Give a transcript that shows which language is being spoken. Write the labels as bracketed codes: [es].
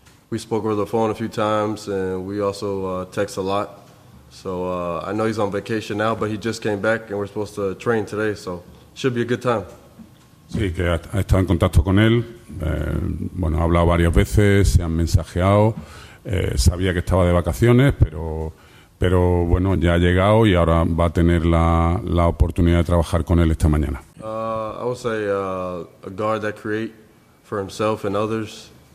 [en] We spoke over the phone a few times, and we also text a lot. So I know he's on vacation now, but he just came back, and we're supposed to train today, so should be a good time. [es] Sí, que ha estado en contacto con él. Bueno, ha hablado varias veces, se han mensajeado. Sabía que estaba de vacaciones, pero bueno, ya ha llegado y ahora va a tener la oportunidad de trabajar con él esta mañana. [en] I would say a guard that create for himself and others.